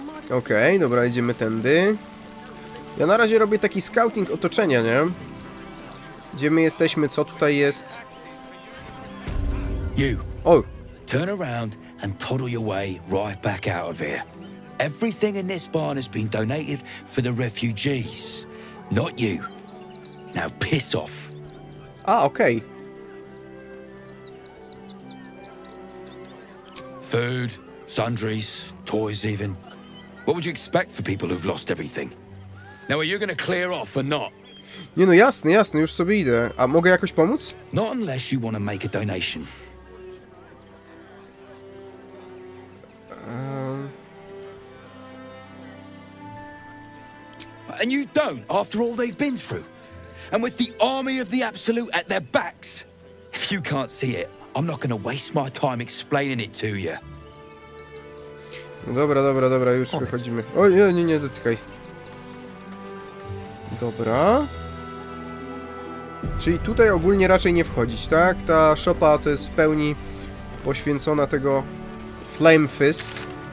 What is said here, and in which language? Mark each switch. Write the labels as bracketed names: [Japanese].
[Polish] Okej, dobra, idziemy tędy. Ja na razie robię taki scouting otoczenia, nie? Gdzie my jesteśmy, co tutaj jest? [English] You. O. Turn around and toddle your way right back out of here. Everything in this barn has been donated for the refugees. Not you. Now piss off. [Polish] A, okej. [English] Food, sundries, toys even. What would you expect for people who've lost everything? Now, are you gonna clear off or not? [Polish] Nie no, jasne, jasne, już sobie idę. A mogę jakoś pomóc? [English] Not unless you wanna make a donation. And you don't, after all they've been through. And with the army of the absolute at their backs. If you can't see it, I'm not gonna waste my time explaining it to you. [Polish] Dobra, dobra, dobra, już wychodzimy. Oj, nie, nie, nie dotykaj. Dobra. Czyli tutaj ogólnie raczej nie wchodzić, tak? Ta szopa to jest w pełni poświęcona tego Flame Fist.